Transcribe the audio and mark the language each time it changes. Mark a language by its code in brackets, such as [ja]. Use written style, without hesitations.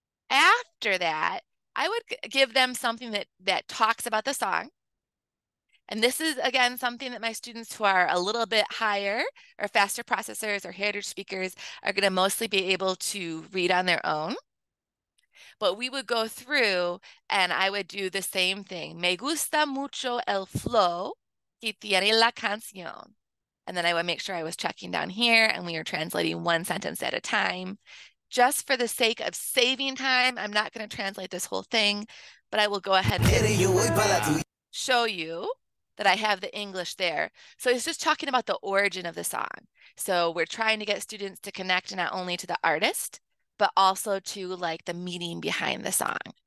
[en] After that, I would give them something that talks about the song. And this is, again, something that my students who are a little bit higher or faster processors or heritage speakers are going to mostly be able to read on their own. But we would go through and I would do the same thing. [es] Me gusta mucho el flow que tiene la canción. [en] And then I would make sure I was checking down here and we are translating one sentence at a time. Just for the sake of saving time, I'm not going to translate this whole thing, but I will go ahead and show you that I have the English there. So it's just talking about the origin of the song. So we're trying to get students to connect not only to the artist, but also to like the meaning behind the song.